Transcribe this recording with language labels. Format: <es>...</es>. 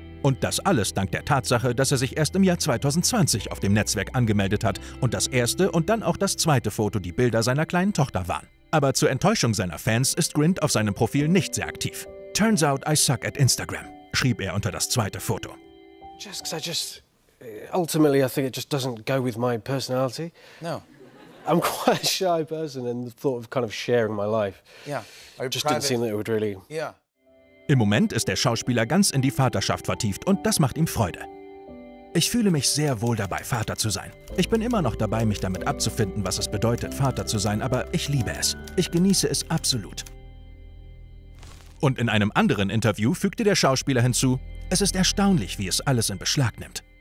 <de>Und das alles dank der Tatsache, dass er sich erst im Jahr 2020 auf dem Netzwerk angemeldet hat und das erste und dann auch das zweite Foto die Bilder seiner kleinen Tochter waren. Aber zur Enttäuschung seiner Fans ist Grint auf seinem Profil nicht sehr aktiv.</de> <en>"Turns out I suck at Instagram",</en> <de>schrieb er unter das zweite Foto.</de> <en>"Just 'cause I just, ultimately I think it just doesn't go with my personality. No. I'm quite a shy person and the thought of kind of sharing my life. Yeah. Just didn't seem that it would really..." Yeah.</en> <de>Im Moment ist der Schauspieler ganz in die Vaterschaft vertieft und das macht ihm Freude. "Ich fühle mich sehr wohl dabei, Vater zu sein. Ich bin immer noch dabei, mich damit abzufinden, was es bedeutet, Vater zu sein, aber ich liebe es. Ich genieße es absolut." Und in einem anderen Interview fügte der Schauspieler hinzu: "Es ist erstaunlich, wie es alles in Beschlag nimmt."</de>